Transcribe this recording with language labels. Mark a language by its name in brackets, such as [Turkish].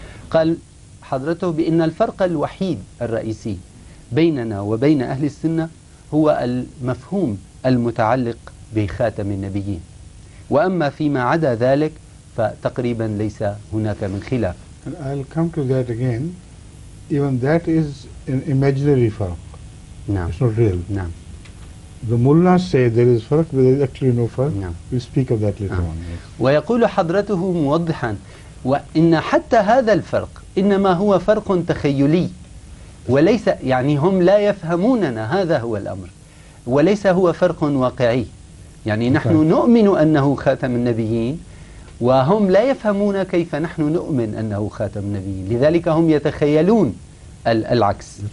[Arabic] قال حضرته بأن الفرق الوحيد الرئيسي بيننا وبين أهل السنة هو المفهوم المتعلق بخاتم النبيين، وأما فيما عدا ذلك فتقريبا ليس هناك من خلاف. [English] And I'll come to that again. Even that is an imaginary fark. [Arabic] نعم. [English] It's not real. [Arabic] نعم. [English] The mullahs say there is fark, but there is actually no fark. [Arabic] نعم. [English] We'll speak of that later on. Yes. [Arabic] ويقول حضرته موضحا وإن حتى هذا الفرق إنما هو فرق تخيلي وليس، يعني هم لا يفهموننا، هذا هو الأمر، وليس هو فرق واقعي. يعني نحن نؤمن أنه خاتم النبيين وهم لا يفهمون كيف نحن نؤمن أنه خاتم النبيين، لذلك هم يتخيلون العكس.